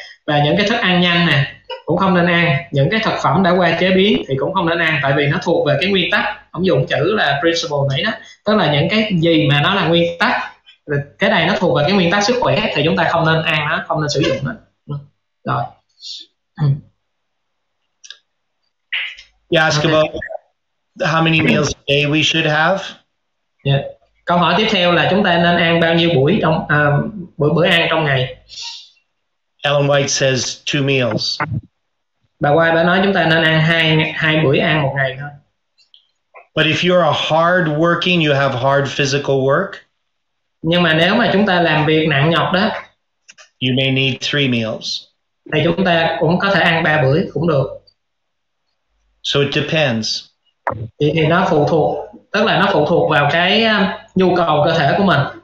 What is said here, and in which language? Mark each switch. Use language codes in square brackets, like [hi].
[vi] Và những cái thức ăn nhanh nè cũng không nên ăn, những cái thực phẩm đã qua chế biến thì cũng không nên ăn, tại vì nó thuộc về cái nguyên tắc, ông dùng chữ là principle nãy đó, tức là những cái gì mà nó là nguyên tắc, cái này nó thuộc về cái nguyên tắc sức khỏe thì chúng ta không nên ăn nó, không nên sử dụng nó. Rồi. [en] Yeah, ask about how many meals a day we should have. Yeah. [vi] Câu hỏi tiếp theo là chúng ta nên ăn bao nhiêu buổi trong bữa ăn trong ngày. [en] Ellen White says two meals. [vi] Bà White bà nói chúng ta nên ăn hai buổi ăn một ngày thôi. [en] But if you're a hard working, you have hard physical work. [vi] Nhưng mà nếu mà chúng ta làm việc nặng nhọc đó, [en] you may need three meals. [vi] Thì chúng ta cũng có thể ăn ba buổi cũng được. [en] So it depends. [vi] Thì nó phụ thuộc, tức là nó phụ thuộc vào cái nhu cầu cơ thể của mình.